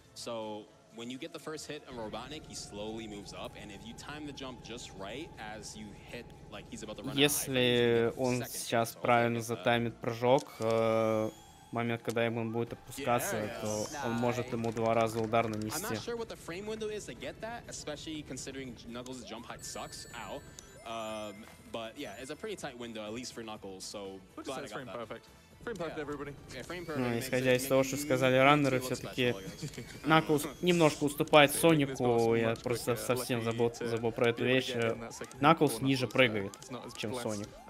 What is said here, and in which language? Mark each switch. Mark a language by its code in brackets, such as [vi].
[en] So when you get the first hit of Robotnik, he slowly moves up, and if you time the jump just right as you hit, like he's about to run out. [ru] Если он сейчас правильно затаймит прыжок, момент, когда ему будет опускаться, то он может ему два раза удар нанести. [en] I'm not sure what the frame window is to get that, especially considering Knuckles' jump height sucks. Ow. But yeah, it's a pretty tight window, at least for Knuckles. So glad I got that. Perfect. Frame perfect, everybody. [ru] Ну, исходя из того, что сказали раннеры, все-таки Knuckles немножко уступает Сонику, я просто совсем забыл про эту вещь. Knuckles ниже прыгает, чем Соник.